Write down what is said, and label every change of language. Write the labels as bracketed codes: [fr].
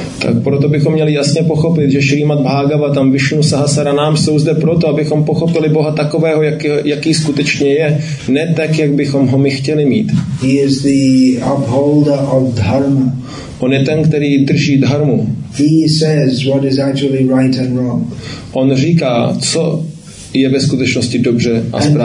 [cs] Tak proto bychom měli jasně pochopit, že Srimad Bhagavatam, Vishnu Sahasranam jsou zde proto, abychom pochopili Boha takového, jaký skutečně je, ne tak, jak bychom ho my chtěli mít. [en] He is the upholder of dharma. [cs] On je ten, který drží dharmu. [en] He says what is actually right and wrong. [cs] On říká, co je ve skutečnosti dobře a